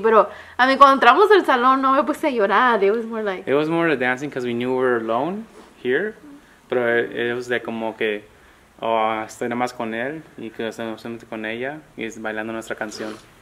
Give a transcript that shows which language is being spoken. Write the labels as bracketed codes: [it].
[es] Pero, [en] I mean, [es] cuando entramos al salón, no me puse a llorar. [en] It was more like... It was more the dancing because we knew we were alone here. [es] Pero [en] it was [es] de como que, oh, estoy nada más con él y que estamos solamente con ella y es bailando nuestra canción.